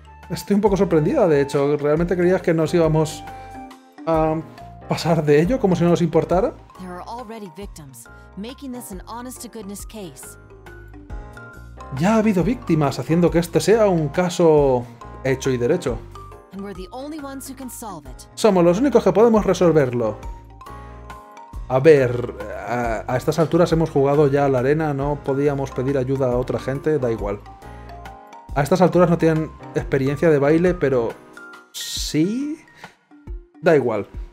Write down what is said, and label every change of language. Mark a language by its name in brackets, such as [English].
[Spanish] Estoy un poco sorprendida, de hecho. ¿Realmente creías que nos íbamos a pasar de ello como si no nos importara? [English] There are already victims, making this an honest-to-goodness case. [Spanish] Ya ha habido víctimas, haciendo que este sea un caso hecho y derecho. [English] And we're the only ones who can solve it. [Spanish] Somos los únicos que podemos resolverlo. A ver, a estas alturas hemos jugado ya a la arena, no podíamos pedir ayuda a otra gente, da igual. A estas alturas no tienen experiencia de baile, pero... ¿sí? Da igual.